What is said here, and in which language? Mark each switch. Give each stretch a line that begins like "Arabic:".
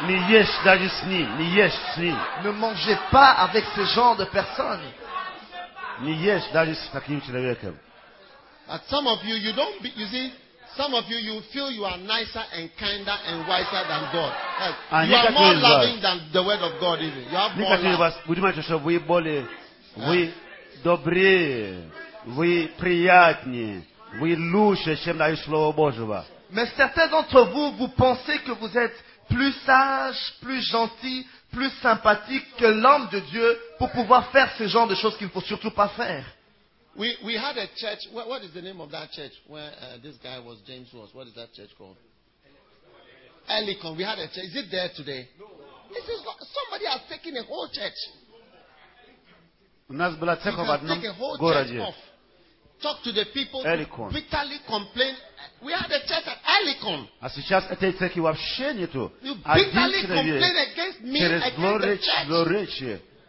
French: Ne mangez pas avec ce genre de personnes.
English: But some of you, you don't be, you see, some of you, you feel you are nicer and kinder and wiser than God. You are more loving than the word of God, even. You have more love.
Russian: Вы добрее, вы приятнее, вы лучше, чем дает Слово Божие.
French: Mais certains d'entre vous, vous pensez que vous êtes plus sage, plus gentil, plus sympathique que l'homme de Dieu pour pouvoir faire ce genre de choses qu'il ne faut surtout pas faire.
English: We had a church. What is the name of that church where this guy was, James was? What is that church called? Ellicon. We had a church. Is it there today? This is not, somebody has taken a whole church.
Russian: У нас была церковь в одном городе.
English: Talk to the people who bitterly complain. We had a church at Ellicon.
Russian: А сейчас этой церкви вообще нету.
English: You bitterly complain against me, against the church.